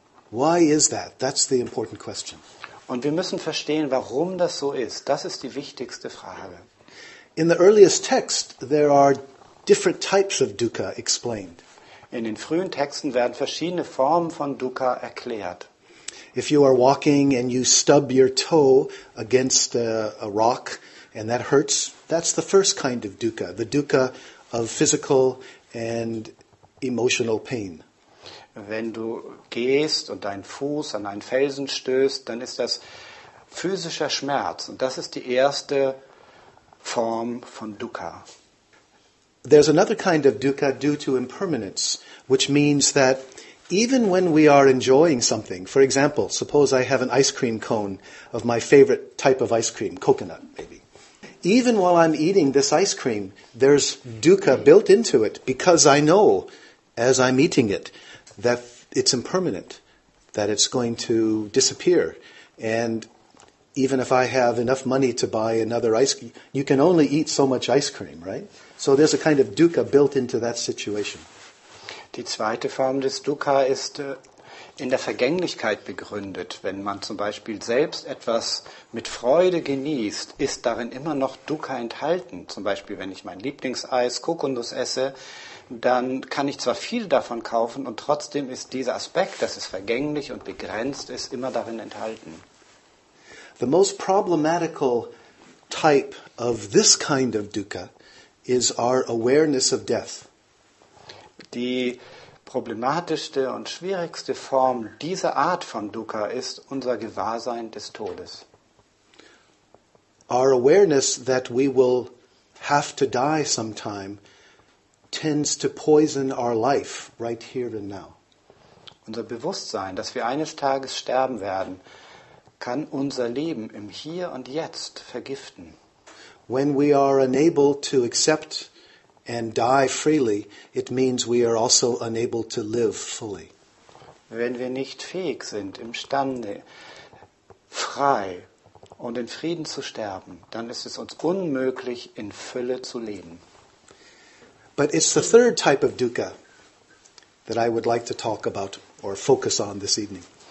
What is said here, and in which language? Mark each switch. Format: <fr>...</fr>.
<en>Why is that? That's the important question.</en> <de>Und wir müssen verstehen, warum das so ist. Das ist die wichtigste Frage.</de> <en>In the earliest text there are different types of dukkha explained.</en> <de>In den frühen Texten werden verschiedene Formen von dukkha erklärt.</de> <en>If you are walking and you stub your toe against a rock and that hurts, that's the first kind of dukkha, the dukkha of physical and emotional pain.</en> <de>Wenn du gehst und deinen Fuß an einen Felsen stößt, dann ist das physischer Schmerz und das ist die erste Form von dukkha.</de> <en>There's another kind of dukkha due to impermanence, which means that even when we are enjoying something, for example, suppose I have an ice cream cone of my favorite type of ice cream, coconut maybe. Even while I'm eating this ice cream, there's dukkha built into it because I know as I'm eating it that it's impermanent, that it's going to disappear. And even if I have enough money to buy another ice cream, you can only eat so much ice cream, right? So there's a kind of dukkha built into that situation.</en> <de>Die zweite Form des Dukkha ist in der Vergänglichkeit begründet. Wenn man zum Beispiel selbst etwas mit Freude genießt, ist darin immer noch Dukkha enthalten. Zum Beispiel, wenn ich mein Lieblingseis, Kokosnuss esse, dann kann ich zwar viel davon kaufen und trotzdem ist dieser Aspekt, dass es vergänglich und begrenzt ist, immer darin enthalten.</de> <en>The most problematical type of this kind of dukkha is our awareness of death.</en> <de>Die problematischste und schwierigste Form dieser Art von Dukkha ist unser Gewahrsein des Todes.</de> <en>Our awareness that we will have to die sometime tends to poison our life right here and now.</en> <de>Unser Bewusstsein, dass wir eines Tages sterben werden, kann unser Leben im Hier und Jetzt vergiften.</de> <en>When we are unable to accept and die freely, it means we are also unable to live fully.</en> <de>Wenn wir nicht fähig sind, imstande, frei und in Frieden zu sterben, dann ist es uns unmöglich, in Fülle zu leben.</de> <en>But it's the third type of dukkha that I would like to talk about or focus on this evening.</en>